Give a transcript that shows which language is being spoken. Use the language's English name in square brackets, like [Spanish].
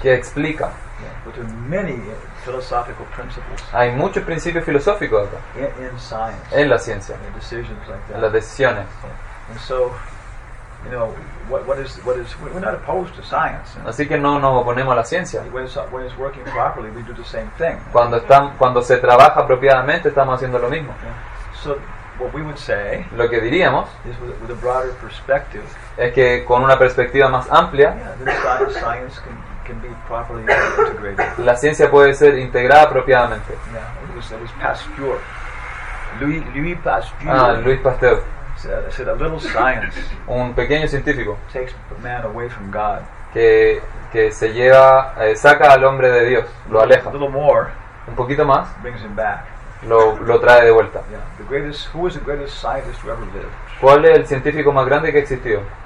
[Spanish] Qué explica. [English] But there are many philosophical principles. [Spanish] Hay muchos principios filosóficos acá. [English] In science. [Spanish] En la ciencia. [English] In decisions like that. [Spanish] En las decisiones. [English] And so, you know, what is? We're not opposed to science. [Spanish] Así que no nos oponemos a la ciencia. [English] When it's working properly, we do the same thing. [Spanish] Cuando se trabaja apropiadamente, estamos haciendo lo mismo. [English] So, what we would say. [Spanish] Lo que diríamos. [English] Is with a broader perspective. [Spanish] Es que con una perspectiva más amplia. [English] Yeah, then science can be properly integrated. [Spanish] La ciencia puede ser integrada apropiadamente. [English] Yeah, it was Pasteur. Louis Pasteur. [Spanish] Ah, Louis Pasteur. [English] Said a little science. [Spanish] Un pequeño científico. [English] Takes man away from God. [Spanish] Que se lleva, saca al hombre de Dios, lo aleja. [English] A little more. [Spanish] Un poquito más. [English] Brings him back. [Spanish] Lo trae de vuelta. [English] Yeah, who was the greatest scientist who ever lived? [Spanish] ¿Cuál es el científico más grande que existió?